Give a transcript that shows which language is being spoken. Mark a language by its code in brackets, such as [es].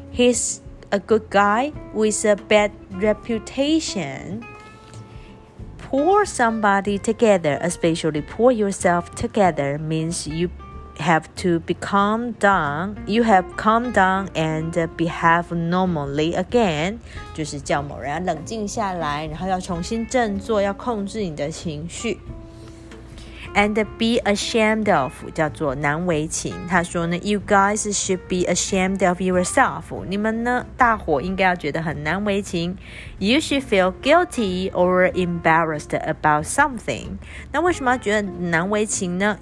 [en] He's a good guy with a bad reputation. Pull somebody together, especially pull yourself together, means you have to become down. You have calm down and behave normally again. [zh] 就是叫某人要冷静下来，然后要重新振作，要控制你的情绪。 [en] And be ashamed of [zh] 叫做难为情。他说呢 [en] ，You guys should be ashamed of yourself. [zh] 你们呢，大伙应该要觉得很难为情。 [en] You should feel guilty or embarrassed about something. [zh] 那为什么要觉得难为情呢？